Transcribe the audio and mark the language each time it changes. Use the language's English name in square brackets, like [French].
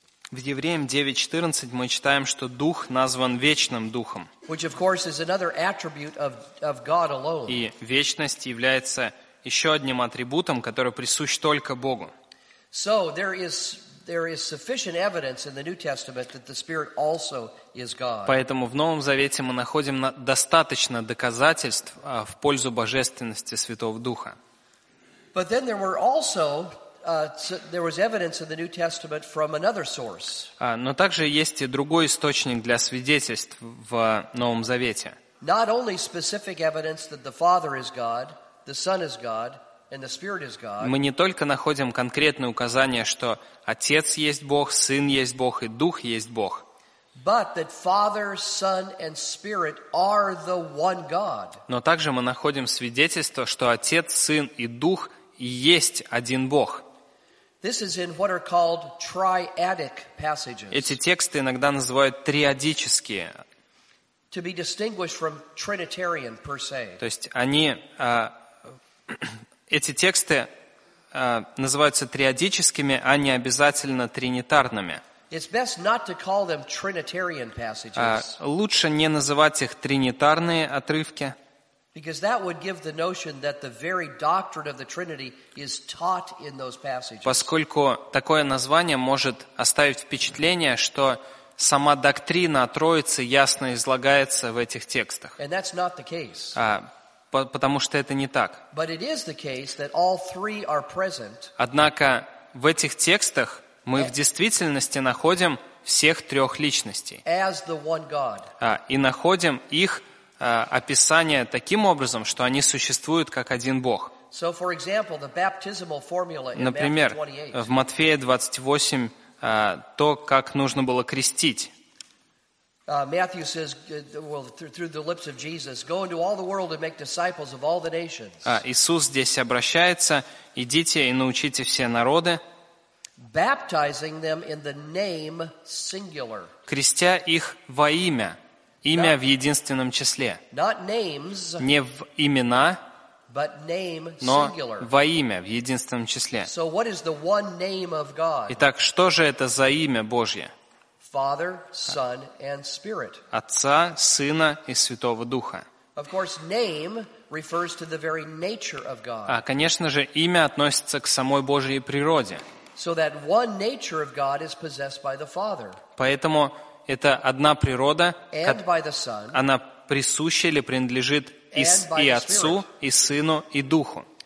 [Russian] В Евреям 9:14 мы читаем, что Дух назван вечным Духом. [English] Which of course is another attribute of God alone. [Russian] И вечность является еще одним атрибутом, который присущ только Богу. [English] So there is sufficient evidence in the New Testament that the Spirit also is God. [Russian] Поэтому в Новом Завете мы находим достаточно доказательств в пользу божественности Святого Духа. [English] But then there were also there was evidence in the New Testament from another source. [Russian] Но также есть и другой источник для свидетельств в Новом Завете. [English] Not only specific evidence that the Father is God, the Son is God, and the Spirit is God. [Russian] Мы не только находим конкретное указание, что Отец есть Бог, Сын есть Бог и Дух есть Бог. [English] But that Father, Son, and Spirit are the one God. [Russian] Но также мы находим свидетельство, что Отец, Сын и Дух есть один Бог. [English] This is in what are called triadic passages. [Russian] Эти тексты иногда называют триадические. [English] To be distinguished from Trinitarian per se. [Russian] То есть они эти тексты называются триадическими, а не обязательно тринитарными. [English] It's best not to call them Trinitarian passages. [Russian] Лучше не называть их тринитарные отрывки. [English] Because that would give the notion that the very doctrine of the Trinity is taught in those passages. [Russian] Поскольку такое название может оставить впечатление, что сама доктрина о Троице ясно излагается в этих текстах. [English] And that's not the case. [Russian] Потому что это не так. [English] But it is the case that all three are present. [Russian] Однако в этих текстах мы в действительности находим всех трех личностей. [English] As the one God. [Russian] И находим их описание таким образом, что они существуют как один Бог. [English] So, for example, the baptismal formula in [Russian] Например, [English] Matthew 28. [Russian] В Матфея 28 то, как нужно было крестить. [English] Matthew says, well, through the lips of Jesus, go into all the world and make disciples of all the nations. [Russian] Иисус здесь обращается, идите и научите все народы. [English] Baptizing them in the name singular. [Russian] Крестя их во имя. Имя в единственном числе. [English] Not names, [Russian] не в имена, [English] but name [Russian] но [English] singular. [Russian] Во имя в единственном числе. [English] So what is the one name of God? [Russian] Итак, что же это за имя Божье? [English] Father, Son, and Spirit. [Russian] Отца, Сына и Святого Духа. [English] Of course, name refers to the very nature of God. [Russian] Конечно же, имя относится к самой Божьей природе. [English] So that one nature of God is possessed by the Father. [Russian] Поэтому это одна природа, она присуща или принадлежит и Отцу, и Сыну, и Духу.